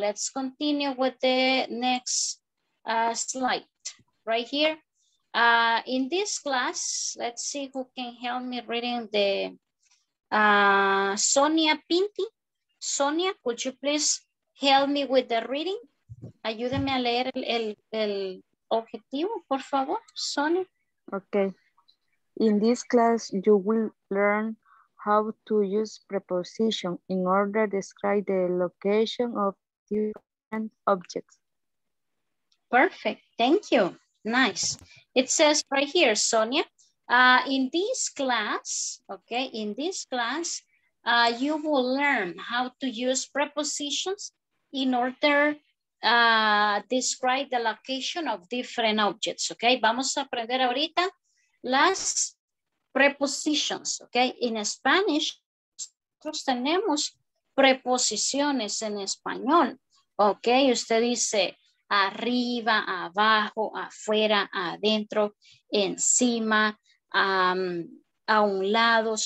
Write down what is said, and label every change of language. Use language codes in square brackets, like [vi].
[en] Let's continue with the next slide right here. In this class, let's see who can help me reading the Sonia Pinti. Sonia, could you please help me with the reading? [es] Ayúdeme a leer el objetivo, por favor, Sonia. [en] Okay. In this class, you will learn how to use preposition in order to describe the location of different objects. Perfect, thank you. Nice. It says right here, Sonia, in this class, okay, in this class, you will learn how to use prepositions in order to describe the location of different objects, okay? [es] Vamos a aprender ahorita las prepositions, okay? [en] In Spanish, [es] nosotros tenemos preposiciones en español, okay? Usted dice arriba, abajo, afuera, adentro, encima, a un lado.